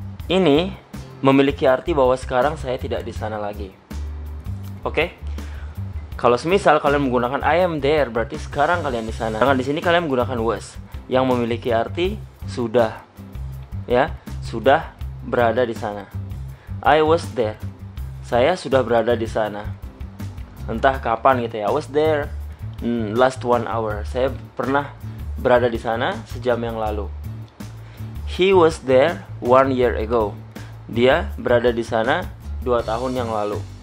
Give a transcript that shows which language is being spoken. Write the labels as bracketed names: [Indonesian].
[Indonesian] Ini memiliki arti bahwa sekarang saya tidak di sana lagi. Oke? Kalau semisal kalian menggunakan [English] I am there, [Indonesian] berarti sekarang kalian di sana. Jangan di sini kalian menggunakan was, yang memiliki arti sudah, ya, sudah berada di sana. [English] I was there, [Indonesian] saya sudah berada di sana. Entah kapan gitu ya. [English] I was there last one hour. [Indonesian] Saya pernah berada di sana sejam yang lalu. [English] He was there one year ago. [Indonesian] Dia berada di sana 2 tahun yang lalu.